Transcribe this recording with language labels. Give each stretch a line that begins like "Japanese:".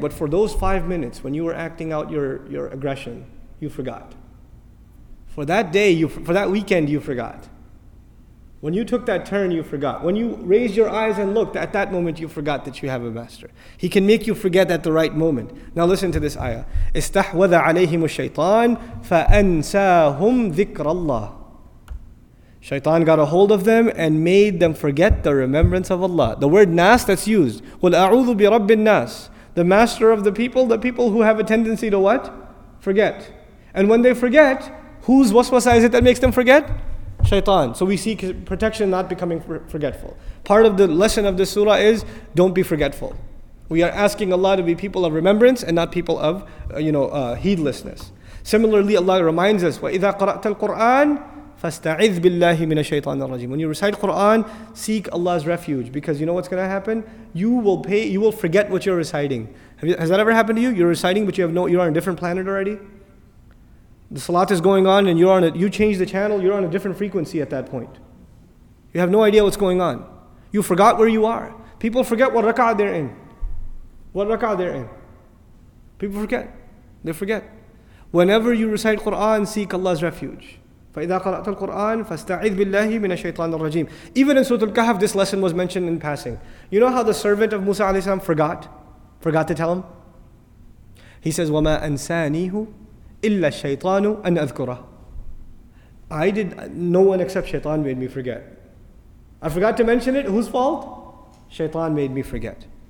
English: But for those 5 minutes when you were acting out your aggression, you forgot. For that day, for that weekend, you forgot. When you took that turn, you forgot. When you raised your eyes and looked, at that moment you forgot that you have a master. He can make you forget at the right moment. Now listen to this ayah.
Arabic: استحوذ عليهم الشيطان فأنساهم ذكر الله.
English: Shaitan got a hold of them and made them forget the remembrance of Allah. The word nas that's used.
Arabic: قُلْ أَعُوذُ بِرَبِّ النَّاسِ.
English: The master of the people who have a tendency to what? Forget. And when they forget, whose waswasa is it that makes them forget? Shaitan. So we seek protection, not becoming forgetful. Part of the lesson of this surah is, don't be forgetful. We are asking Allah to be people of remembrance and not people of, heedlessness. Similarly, Allah reminds us,
Arabic: وَإِذَا قَرَأْتَ الْقُرْآنِ فَاسْتَعِذْ بِاللَّهِ مِنَ الشَّيْطَانِ الرَّجِيمِ.
English: When you recite Quran, seek Allah's refuge, because you know what's going to happen? You will forget what you're reciting. Has that ever happened to you? You're reciting, but you're on a different planet already? The salat is going on, and you change the channel, you're on a different frequency at that point. You have no idea what's going on. You forgot where you are. People forget what rak'ah they're in. People forget. They forget. Whenever you recite Quran, seek Allah's refuge.
Arabic: فَإِذَا قَرَأْتَ الْقُرْآنَ فَاسْتَعِذْ بِاللَّهِ مِنَ الشَّيْطَانِ الرَّجِيمِ.
English: Even in Surah Al-Kahf, this lesson was mentioned in passing. You know how the servant of Musa alayhi salam forgot to tell him? He says,
Arabic: وَمَا أَنْسَانِيهُ إِلَّا الشَّيْطَانُ أَنْ أَذْكُرَهُ.
English: No one except Shaitan made me forget. I forgot to mention it, whose fault? Shaitan made me forget.